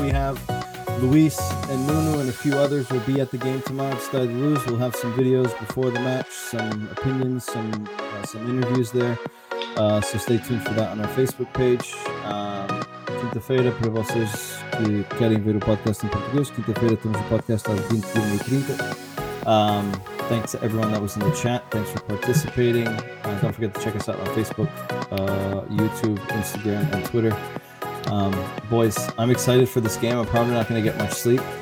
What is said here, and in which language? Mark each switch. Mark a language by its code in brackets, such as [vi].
[en] We have Luis and Nunu and a few others will be at the game tomorrow. Stud Luz. We'll have some videos before the match, some opinions, some interviews there. So stay tuned for that on our Facebook page. [pt] Quinta-feira para vocês que querem ver o podcast em português. Quinta-feira temos o podcast às 21h30. [en] Thanks to everyone that was in the chat. Thanks for participating. And don't forget to check us out on Facebook, YouTube, Instagram, and Twitter. Boys, I'm excited for this game. I'm probably not going to get much sleep.